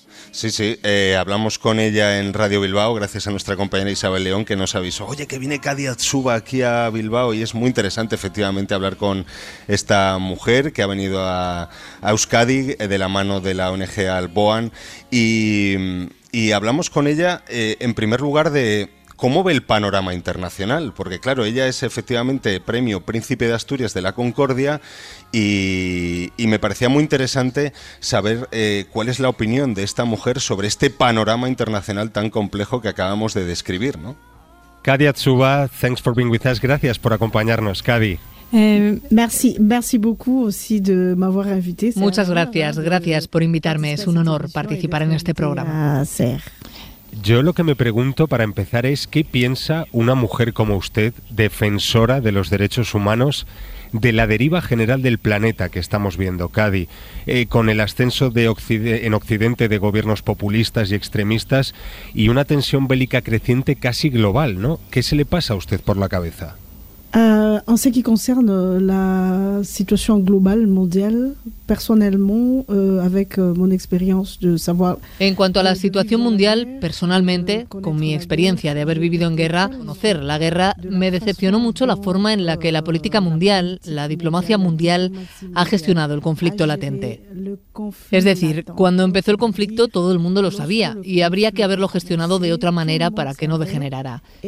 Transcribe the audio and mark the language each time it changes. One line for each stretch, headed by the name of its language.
Spanish: Sí, sí, hablamos con ella en Radio Bilbao, gracias a nuestra compañera Isabel León, que nos avisó, oye, que viene Kadia Dzuba aquí a Bilbao, y es muy interesante, efectivamente, hablar con esta mujer que ha venido a Euskadi de la mano de la ONG Alboan, y hablamos con ella, en primer lugar, de cómo ve el panorama internacional, porque claro, ella es efectivamente premio Príncipe de Asturias de la Concordia, y me parecía muy interesante saber cuál es la opinión de esta mujer sobre este panorama internacional tan complejo que acabamos de describir, ¿no?
English: Kadi Atsuba, thanks for being with us.
Spanish: Gracias por acompañarnos, Kadi.
French: Merci, merci beaucoup aussi de m'avoir invité.
Spanish: Muchas gracias, gracias por invitarme. Es un honor participar en este programa. Yo lo que me pregunto para empezar es qué piensa una mujer como usted, defensora de los derechos humanos, de la deriva general del planeta que estamos viendo, Kadi, con el ascenso de Occidente de gobiernos populistas y extremistas y una tensión bélica creciente casi global, ¿no? ¿Qué se le pasa a usted por la cabeza?
French: En ce qui concerne la situation globale mondiale, personnellement, avec mon expérience de savoir.
Spanish: En cuanto a la situación mundial, personalmente, con mi experiencia de haber vivido en guerra, conocer la guerra, me decepcionó mucho la forma en la que la política mundial, la diplomacia mundial, ha gestionado el conflicto latente. Es decir, cuando empezó el conflicto, todo el mundo lo sabía y habría que haberlo gestionado de otra manera para que no degenerara.